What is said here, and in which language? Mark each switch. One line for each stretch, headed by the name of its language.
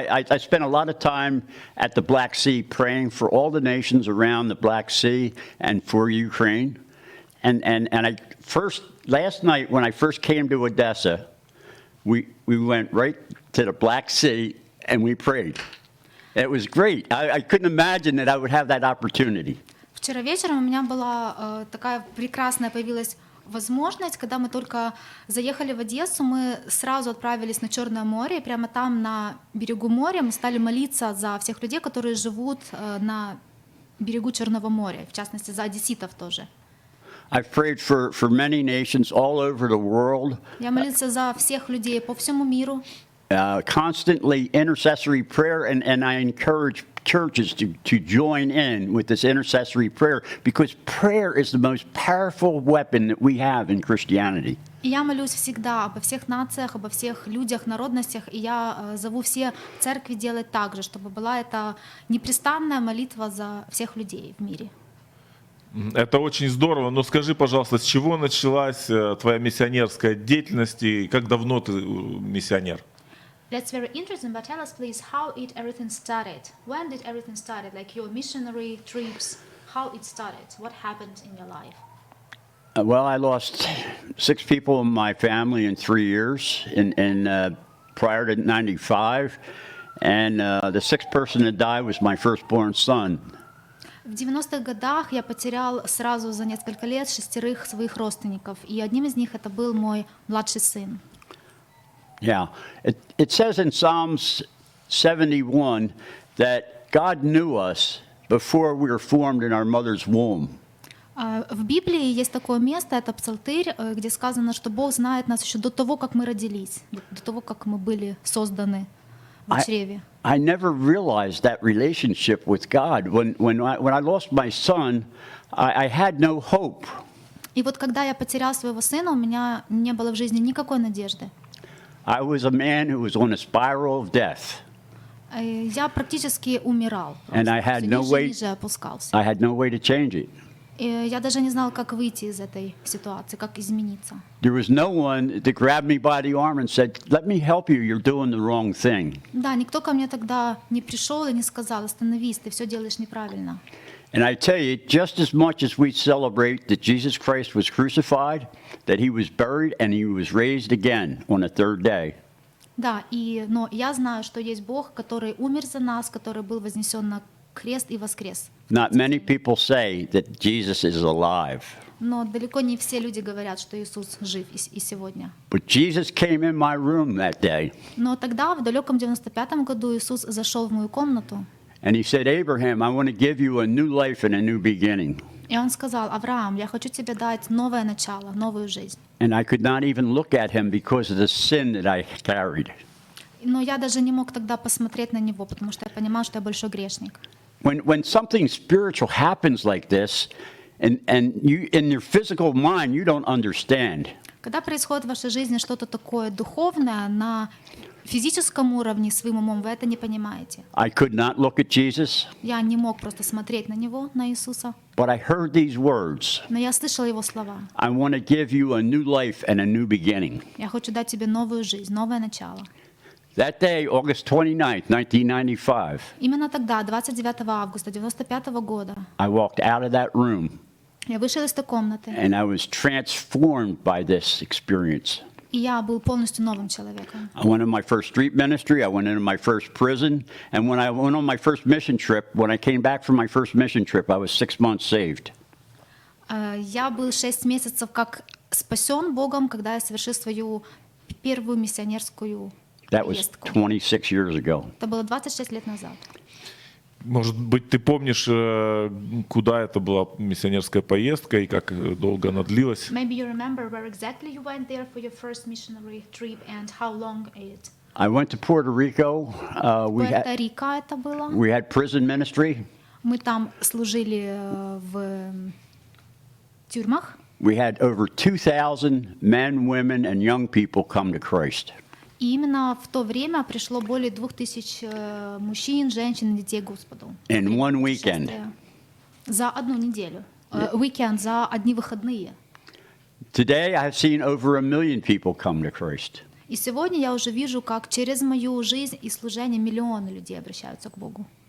English: I spent a lot of time at the Black Sea praying for all the nations around the Black Sea and for Ukraine. And last night when I first came to Odessa, we went right to the Black Sea and we prayed. It was great. I couldn't imagine that I would have that opportunity.
Russian: Вчера вечером у меня была такая прекрасная появилась. Возможность, когда мы только заехали в Одессу, мы сразу отправились на Черное море, и прямо там, на берегу моря, мы стали молиться за всех людей, которые живут на берегу Черного моря, в частности, за одесситов тоже.
English: I've prayed for many nations all over the world.
Russian: Я молился за всех людей по всему миру.
English: Constantly intercessory prayer, and I encourage churches to join in with this intercessory prayer, because prayer is the most powerful weapon that we have in Christianity.
Russian: Я молюсь всегда обо всех нациях, обо всех людях, народностях, и я зову все церкви делать так же, чтобы была эта непрестанная молитва за всех людей в мире. Это очень здорово, но скажи, пожалуйста, с чего началась твоя миссионерская деятельность, и как давно ты миссионер?
English: That's very interesting, but tell us, please, how it everything started? When did everything started? Like your missionary trips, how it started? What happened in your life? Well, I lost 6 people in my family in 3 years, prior to 95, and the 6th person to die was my firstborn son.
Russian: В 90-х годах я потерял сразу за несколько лет 6 своих родственников, и одним из них это был мой младший сын.
English: Yeah, it says in Psalms 71 that God knew us before we were formed in our mother's womb.
Russian: В Библии есть такое место, это Псалтырь, где сказано, что Бог знает нас еще до того, как мы родились, до того, как мы были созданы в чреве.
English: I never realized that relationship with God. When I lost my son, I had no hope.
Russian: И вот когда я потерял своего сына, у меня не было в жизни никакой надежды.
English: I was a man who was on a spiral of death.
Russian: Я практически умирал.
English: And I had no way. I had no way to change it.
Russian: Я даже не знал, как выйти из этой ситуации, как измениться.
English: There was no one that grabbed me by the arm and said, "Let me help you. You're doing the wrong thing."
Russian: Да, никто ко мне тогда не пришел и не сказал: "Остановись, ты все делаешь неправильно."
English: And I tell you, just as much as we celebrate that Jesus Christ was crucified, that he was buried, and he was raised again on the third day.
Russian: Да, и но я знаю, что есть Бог, который умер за нас, который был вознесен на крест и воскрес.
English: Not many people say that Jesus is alive.
Russian: Но далеко не все люди говорят, что Иисус жив и сегодня.
English: But Jesus came in my room that day.
Russian: Но тогда в далеком 95-м году Иисус зашел в мою комнату.
English: And he said, "Abraham, I want to give you a new life and a new beginning."
Russian: И он сказал: "Авраам, я хочу тебе дать новое начало, новую жизнь."
English: And I could not even look at him because of the sin that I carried.
Russian: Но я даже не мог тогда посмотреть на него, потому что я понимал, что я большой грешник.
English: When something spiritual happens like this, and you in your physical mind you don't understand.
Russian: Когда происходит в вашей жизни что-то такое духовное на физическом уровне, своим умом вы это не понимаете.
English: I could not look at Jesus.
Russian: Я не мог просто смотреть на него, на Иисуса.
English: But I heard these words.
Russian: Но я слышал его слова.
English: I want to give you a new life and a new beginning.
Russian: Я хочу дать тебе новую жизнь, новое начало.
English: That day, August 29th, 1995.
Russian: Именно тогда, 29 августа 95 года.
English: I walked out of that room.
Russian: Я вышел из той комнаты.
English: And I was transformed by this experience.
Russian: И я был полностью новым человеком.
English: I went on my first street ministry. I went into my first prison. And when I went on my first mission trip, when I came back from my first mission trip, I was 6 months saved.
Russian: Я был 6 месяцев как спасен Богом, когда я совершил свою первую миссионерскую.
English: That was 26 years ago.
Russian: Это было 26 лет назад. Может быть, ты помнишь, куда это была миссионерская поездка и как долго она длилась?
English: Maybe you remember where exactly you went there for your first missionary trip and how long it. I went to Puerto Rico.
Russian: Пуэрто-Рико это было.
English: We had prison ministry.
Russian: Мы там служили в тюрьмах.
English: We had over 2,000 men, women, and young people come to Christ.
Russian: И именно в то время пришло более 2000 мужчин, женщин и детей к Господу.
English: In one weekend.
Russian: За одну неделю. Weekend, за одни выходные.
English: Today I have seen over a million people come to Christ.
Russian: И сегодня я уже вижу, как через мою жизнь и служение миллионы людей обращаются к Богу.